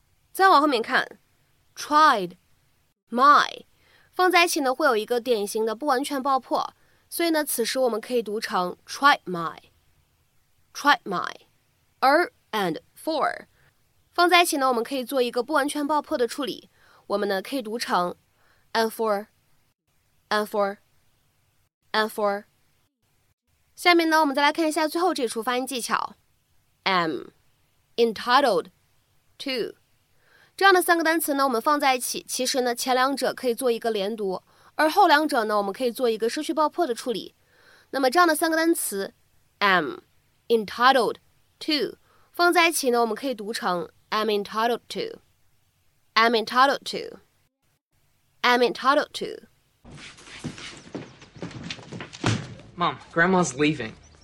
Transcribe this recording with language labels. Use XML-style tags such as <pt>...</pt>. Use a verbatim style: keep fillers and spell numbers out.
<zh>再往后面看 ， tried, my 放在一起呢，会有一个典型的不完全爆破。所以呢，此时我们可以读成 try my, try my, er and for 放在一起呢，我们可以做一个不完全爆破的处理。我们呢可以读成 and for, and for, and for。下面呢，我们再来看一下最后这处发音技巧 am entitled to 这样的三个单词呢，我们放在一起，其实呢前两者可以做一个连读。而后两者呢，我们可以做一个失去爆破的处理。那么这样的三个单词 am, entitled, to 放在一起呢，我们可以读成 am entitled to, am entitled to, am entitled to。</zh> <en>Mom, Grandma's leaving.</en>